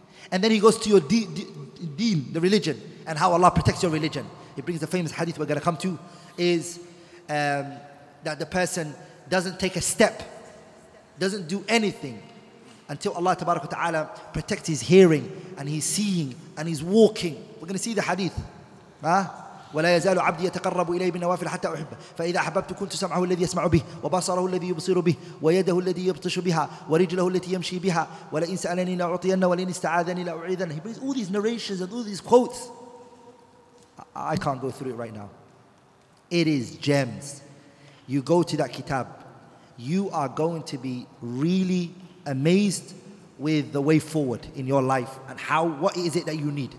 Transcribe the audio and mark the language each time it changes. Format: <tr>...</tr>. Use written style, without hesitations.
<en>And then he goes to your deen, the religion, and how Allah protects your religion. He brings the famous hadith we're going to come to, is that the person doesn't take a step, doesn't do anything, until Allah tabarak wa ta'ala protects his hearing, and he's seeing, and he's walking. We're going to see the hadith.</en> <ar>ولا يزال عبدي يتقرب إلي بالنوافل حتى أحبه فإذا أحببت كنت سمعه الذي يسمع به وبصره الذي يبصر به ويده الذي يبطش بها ورجله التي يمشي بها ولئن سألني لأعطينه ولئن استعاذني لأعيذنه.</ar> <en>He brings all these narrations and all these quotes. I can't go through it right now. It is gems. You go to that kitab, you are going to be really amazed with the way forward in your life and how, what is it that you need.</en>